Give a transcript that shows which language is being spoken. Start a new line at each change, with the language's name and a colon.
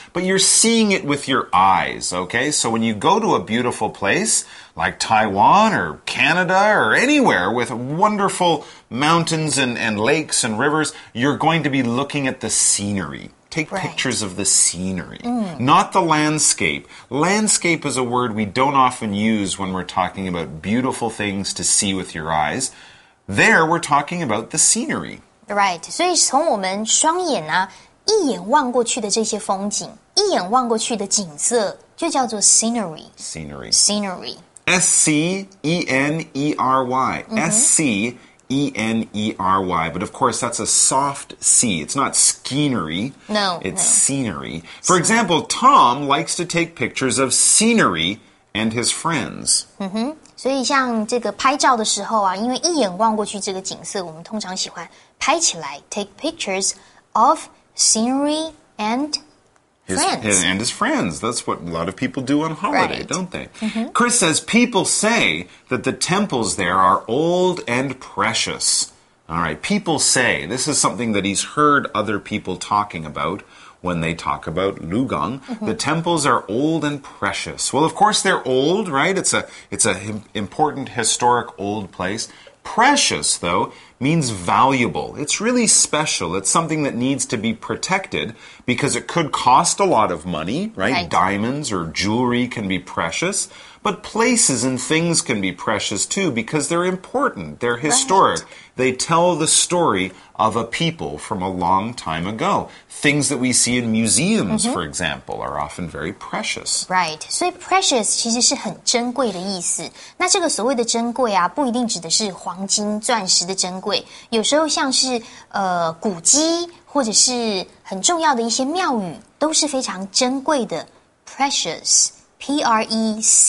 English: But you're seeing it with your eyes, okay? So when you go to a beautiful place like Taiwan or Canada or anywhere with wonderful mountains and lakes and rivers, you're going to be looking at the scenery. Take right. pictures of the scenery,、mm. not the landscape. Landscape is a word we don't often use when we're talking about beautiful things to see with your eyes. There, we're talking about the scenery. Right.
Chinese: 所以从我们双眼啊，一眼望过去的这些风景，一眼望过去的景色，就叫做 scenery.
English: Scenery. Scenery. S-C-E-N-E-R-Y. S-C-E-N-E-R-Y. E-N-E-R-Y. But of course, that's a soft C. It's not skeenery. No. It's scenery. For example, Tom likes to take pictures of scenery and his friends. Mm-hmm.
Chinese: 所以像这个拍照的时候啊，因为一眼望过去这个景色，我们通常喜欢拍起来
English: take pictures of scenery and friends. And his friends. That's what a lot of people do on holiday,、 right. don't they?、 Mm-hmm. Chris says, people say that the temples there are old and precious. All right, people say. This is something that he's heard other people talking about when they talk about Lugang.、 Mm-hmm. The temples are old and precious. Well, of course, they're old, right? It's a important, historic, old place. Precious, though,means valuable. It's really special. It's something that needs to be protected because it could cost a lot of money, right? Right. Diamonds or jewelry can be precious, but places and things can be precious too because they're important. They're historic. Right. They tell the story of a people from a long time ago. Things that we see in museums, mm-hmm. for example, are often very precious. Right. So precious
Chinese: 其实是很珍贵的意思。那这个所谓的珍贵啊，不一定指的是黄金、钻石的珍贵。有时候像是古迹或者是很重要的一些庙宇都是非常珍贵的 Precious P-R-E-C-I-O-U-S